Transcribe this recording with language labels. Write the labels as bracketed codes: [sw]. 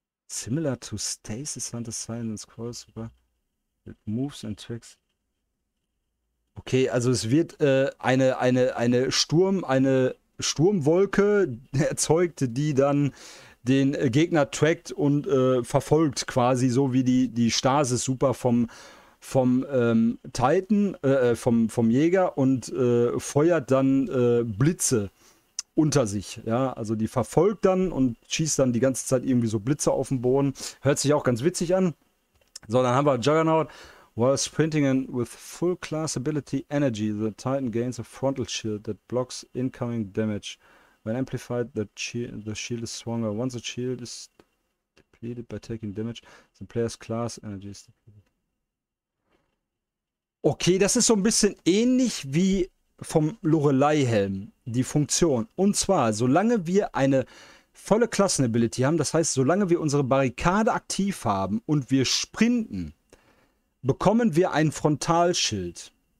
[en] Similar to Stasis Hunter Silent and Scrolls that moves and tracks. [de] Okay, also es wird eine Sturmwolke erzeugt, die dann den Gegner trackt und verfolgt, quasi so wie die Stasis-Super vom Titan, vom Jäger, und feuert dann Blitze unter sich. Ja, also die verfolgt dann und schießt dann die ganze Zeit irgendwie so Blitze auf den Boden. Hört sich auch ganz witzig an. So, dann haben wir Juggernaut. [en] While sprinting and with full class ability energy, the Titan gains a frontal shield that blocks incoming damage. When amplified, the shield is stronger. Once the shield is depleted by taking damage, the player's class energy is depleted. [de] Okay, das ist so ein bisschen ähnlich wie vom Lorelei-Helm, die Funktion. Und zwar, solange wir eine volle Klassenability haben, das heißt, solange wir unsere Barrikade aktiv haben und wir sprinten, bekommen wir ein Frontalschild.